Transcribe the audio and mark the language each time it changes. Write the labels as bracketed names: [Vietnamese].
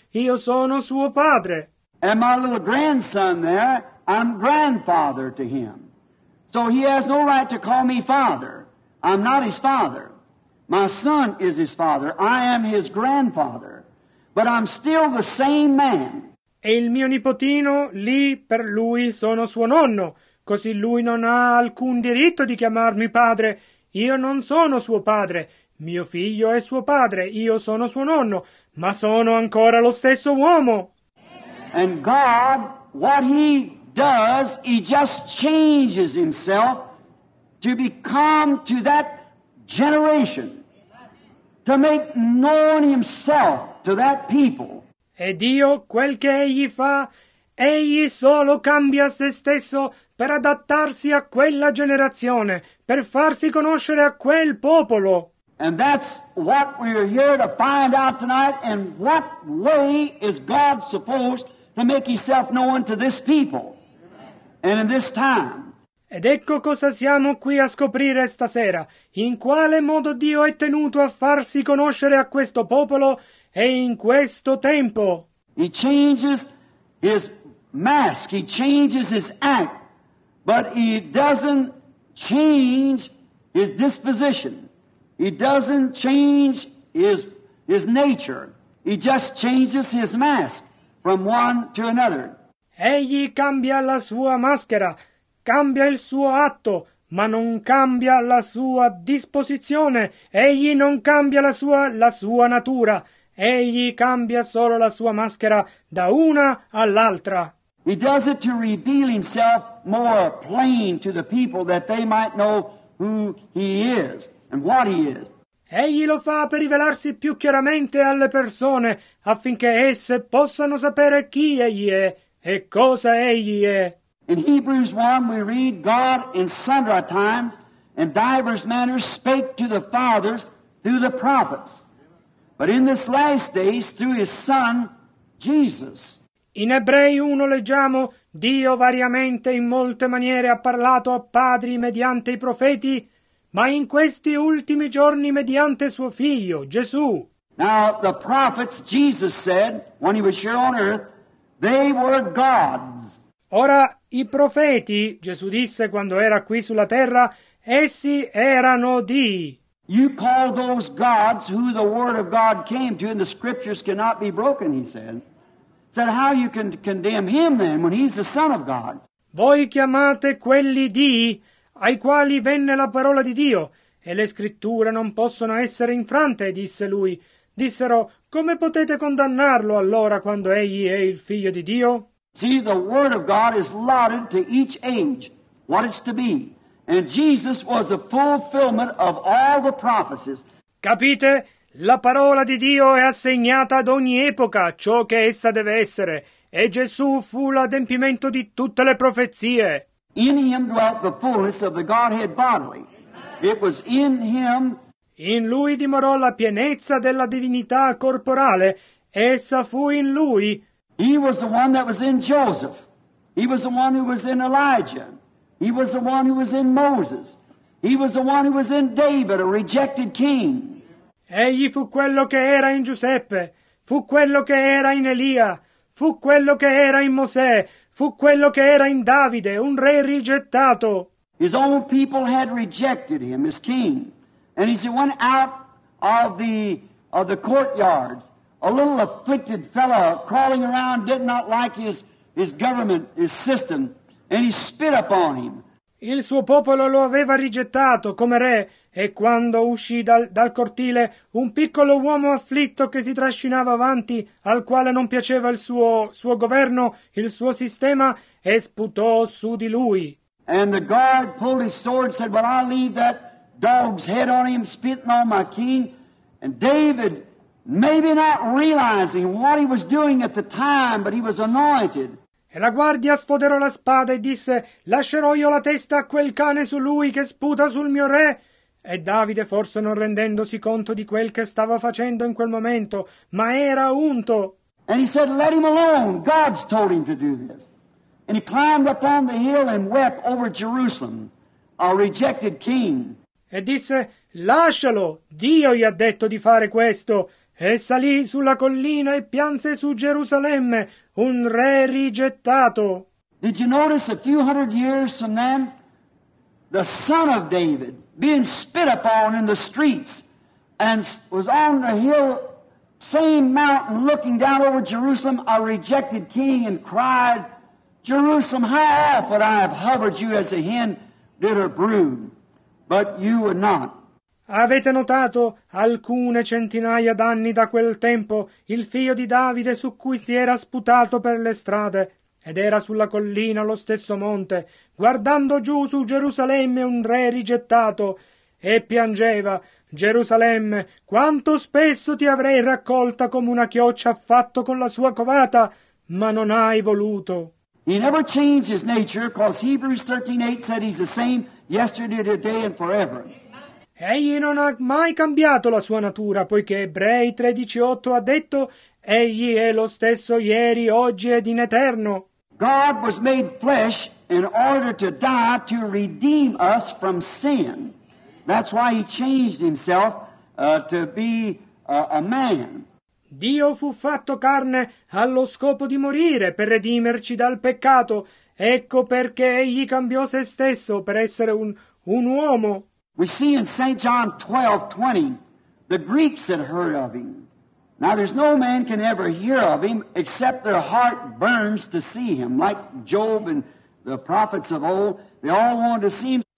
[Italian] Io sono suo padre. [English] And my little grandson there, I'm grandfather to him. So he has no right to call me father. I'm not his father. My son is his father. I am his grandfather. But I'm still the same man. [Italian] E il mio nipotino, lì per lui, sono suo nonno. Così lui non ha alcun diritto di chiamarmi padre. Io non sono suo padre. Mio figlio è suo padre. Io sono suo nonno. Ma sono ancora lo stesso uomo. [English] And God, what he does, he just changes himself to become to that generation, to make known himself to that people. [Italian] E Dio, quel che egli fa, egli solo cambia se stesso per adattarsi a quella generazione, per farsi conoscere a quel popolo. [English] And that's what we're here to find out tonight, in what way is God supposed to make himself known to this people and in this time. [Italian] Ed ecco cosa siamo qui a scoprire stasera. In quale modo Dio è tenuto a farsi conoscere a questo popolo e in questo tempo. [English] He changes his mask, he changes his act, but he doesn't change his disposition. He doesn't change his nature. He just changes his mask from one to another. [Italian] Egli cambia la sua maschera, cambia il suo atto, ma non cambia la sua disposizione. Egli non cambia la sua natura. Egli cambia solo la sua maschera da una all'altra. [English] He does it to reveal himself more plain to the people that they might know who he is and what he is. [Italian] Egli lo fa per rivelarsi più chiaramente alle persone, affinché esse possano sapere chi egli è e cosa egli è. [English] In Hebrews 1 we read, God in sundry times and divers manners spake to the fathers through the prophets. But in this last days through his Son, Jesus. [Italian] In Ebrei 1 leggiamo, Dio variamente in molte maniere ha parlato a padri mediante i profeti, ma in questi ultimi giorni mediante suo figlio, Gesù. [English] Now the prophets, Jesus said, when he was here on earth, they were gods. [Italian] Ora, i profeti, Gesù disse quando era qui sulla terra, essi erano Dio. [English] You call those gods who the word of God came to and the scriptures cannot be broken, he said. Said, how you can condemn him then when he's the son of God? [Italian] Voi chiamate quelli Dio ai quali venne la parola di Dio, e le scritture non possono essere infrante, disse lui. Dissero, come potete condannarlo allora quando egli è il figlio di Dio? [English] See, the word of God is allotted to each age, what it's to be. And Jesus was the fulfillment of all the prophecies. [Italian] Capite? La parola di Dio è assegnata ad ogni epoca ciò che essa deve essere. E Gesù fu l'adempimento di tutte le profezie. [English] In him dwelt the fullness of the Godhead bodily. It was in him. [Italian] In lui dimorò la pienezza della divinità corporale. Essa fu in lui. [English] He was the one that was in Joseph. He was the one who was in Elijah. He was the one who was in Moses. He was the one who was in David, a rejected king. [Italian] Egli fu quello che era in Giuseppe, fu quello che era in Elia, fu quello che era in Mosè, fu quello che era in Davide, un re rigettato. [English] His own people had rejected him as king. And as he went out of the courtyards, a little afflicted fellow crawling around, did not like his government, his system. And he spit upon him. [Italian] Il suo popolo lo aveva rigettato come re, e quando uscì dal cortile, un piccolo uomo afflitto che si trascinava avanti, al quale non piaceva il suo governo, il suo sistema, e sputò su di lui. [English] And the guard pulled his sword and said, but I'll leave that dog's head on him, spitting on my king. And David, maybe not realizing what he was doing at the time, but he was anointed. [Italian] E la guardia sfoderò la spada e disse: lascerò io la testa a quel cane su lui che sputa sul mio re. E Davide, forse non rendendosi conto di quel che stava facendo in quel momento, ma era unto. [English] And he said, let him alone. God's told him to do this. And he climbed up on the hill and wept over Jerusalem, our rejected king. [Italian] E disse, lascialo, Dio gli ha detto di fare questo. E salì sulla collina e pianse su Gerusalemme, un re rigettato. [English] Did you notice a few hundred years from then, the son of David being spit upon in the streets and was on the hill, same mountain, looking down over Jerusalem, a rejected king, and cried, Jerusalem, how often I have hovered you as a hen did her brood, but you would not. [Italian] Avete notato, alcune centinaia d'anni da quel tempo, il figlio di Davide su cui si era sputato per le strade, ed era sulla collina lo stesso monte, guardando giù su Gerusalemme un re rigettato, e piangeva, Gerusalemme, quanto spesso ti avrei raccolta come una chioccia affatto con la sua covata, ma non hai voluto. [English] He never changed his nature, because Hebrews 13:8 said he's the same yesterday, today and forever. [Italian] Egli non ha mai cambiato la sua natura, poiché Ebrei 13:8 ha detto, egli è lo stesso ieri, oggi ed in eterno. [English] God was made flesh in order to die to redeem us from sin. That's why he changed himself to be a man. [Italian] Dio fu fatto carne allo scopo di morire per redimerci dal peccato. Ecco perché egli cambiò se stesso per essere un uomo. [English] We see in St. John 12:20 the Greeks had heard of him. Now there's no man can ever hear of him except their heart burns to see him, like Job and the prophets of old. They all wanted to see him.